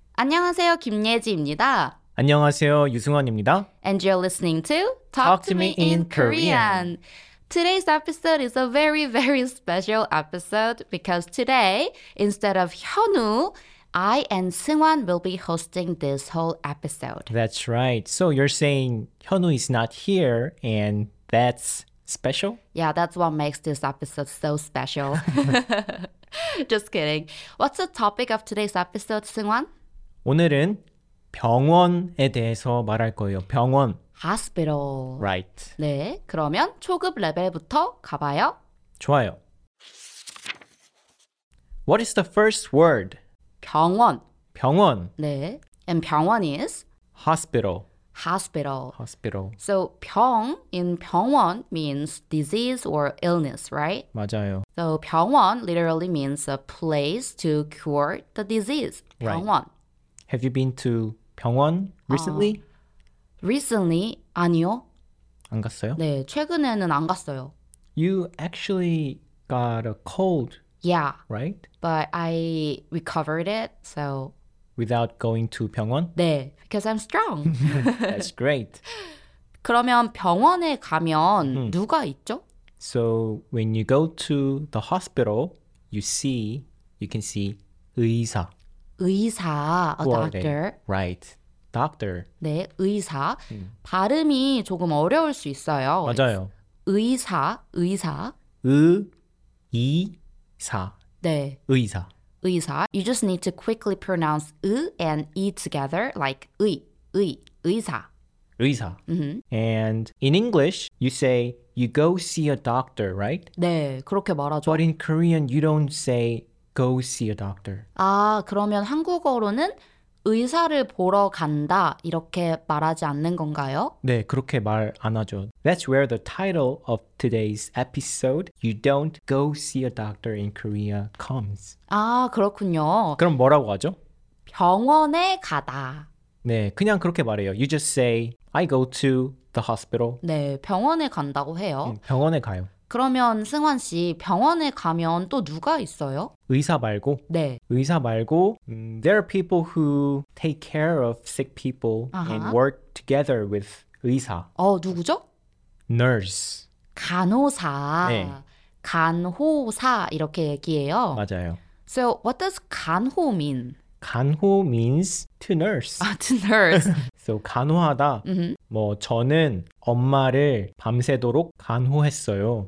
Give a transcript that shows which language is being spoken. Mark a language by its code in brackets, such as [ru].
[ko] 안녕하세요, 김예지입니다. Annyeonghaseyo, Yoo Seung-hwan입니다. [en] And you're listening to Talk to Me in Korean. Today's episode is a very, very special episode because today, instead of Hyunwoo, I and Seung-hwan will be hosting this whole episode. That's right. So you're saying Hyunwoo is not here and that's special? Yeah, that's what makes this episode so special. Just kidding. What's the topic of today's episode, Seung-hwan? [ko] 오늘은 병원에 대해서 말할 거예요. 병원. [en] Hospital. Right. [ko] 네, 그러면 초급 레벨부터 가봐요. 좋아요. [en] What is the first word? [ko] 병원. 병원. [en] 네, and 병원 is? Hospital. Hospital. Hospital. So 병 in 병원 means disease or illness, right? [ko] 맞아요. [en] So 병원 literally means a place to cure the disease. [ko] 병원. Right. [en] Have you been to 병원 recently? Recently? [ko] 아니요. 안 갔어요? 네, 최근에는 안 갔어요. [en] You actually got a cold. Yeah. Right? But I recovered it, so. Without going to 병원? 네, because I'm strong. That's great. [ko] 그러면 병원에 가면 누가 있죠? [en] So when you go to the hospital, you can see 의사. 의사, a doctor. Right. Doctor. [ko] 네, 의사. 발음이 조금 어려울 수 있어요. 맞아요. 의사, 의사. 의사. 네. 의사. [en] 의사. You just need to quickly pronounce 의 and 이 together like 의, 의, 의사. [ko] 의사. Mm-hmm. [en] And in English, you say you go see a doctor, right? [ko] 네, 그렇게 말하죠. [en] But in Korean, you don't say go see a doctor. [ko] 아, 그러면 한국어로는 의사를 보러 간다 이렇게 말하지 않는 건가요? 네, 그렇게 말 안 하죠. [en] That's where the title of today's episode, You Don't Go See a Doctor in Korea, comes. [ko] 아, 그렇군요. 그럼 뭐라고 하죠? 병원에 가다. 네, 그냥 그렇게 말해요. [en] You just say, I go to the hospital. [ko] 네, 병원에 간다고 해요. 병원에 가요. 그러면 승환 씨, 병원에 가면 또 누가 있어요? 의사 말고? 네. 의사 말고, [en] there are people who take care of sick people and work together with 의사. [ko] 어, 누구죠? [en] Nurse. [ko] 간호사. 네. 간호사 이렇게 얘기해요. 맞아요. [en] So, what does 간호 mean? 간호 means to nurse. 아, to nurse. [ko] So, 간호하다. 뭐, 저는 엄마를 밤새도록 간호했어요.